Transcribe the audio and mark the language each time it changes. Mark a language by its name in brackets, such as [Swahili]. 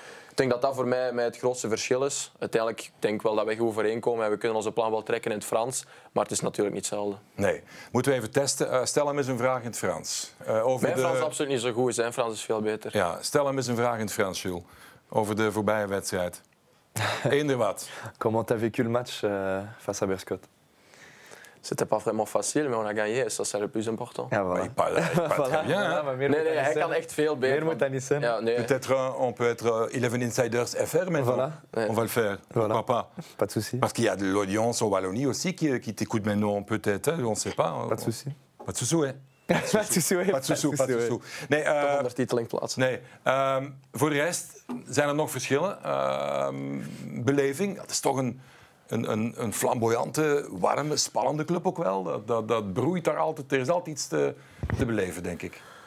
[Dutch] Ik denk dat dat voor mij het grootste verschil is. Uiteindelijk denk ik wel dat wij goed overeenkomen en we kunnen onze plan wel trekken in het Frans. Maar het is natuurlijk niet hetzelfde. Nee. Moeten we even testen. Stel hem eens een vraag in het Frans. Frans is absoluut niet zo goed. Zijn Frans is veel beter. Ja, stel hem eens een vraag in het Frans, Jules. Over de voorbije wedstrijd. Eender wat. [French] Comment t'as vécu le match face à Berscott? C'était pas vraiment facile, mais on a gagné, ça c'est le plus important. [Dutch] Ja, voilà. Hij kan echt veel beter. Meer moet dat niet zijn. [French] Peut-être on peut être 11 insiders FR, mais voilà. On va le faire. Voilà. Papa. Pas de souci. Parce qu'il y a de l'audience en Wallonie aussi qui t'écoute maintenant, peut-être, on ne sait pas. Pas de souci. Pas de souci, hein. Pas de soucis. [Dutch] Nee, ondertiteling plaatsen. Nee. Voor de rest zijn er nog verschillen. Beleving, dat is toch een flamboyante, warme, spannende club ook wel. Dat broeit daar altijd. Er is altijd iets te beleven, denk ik.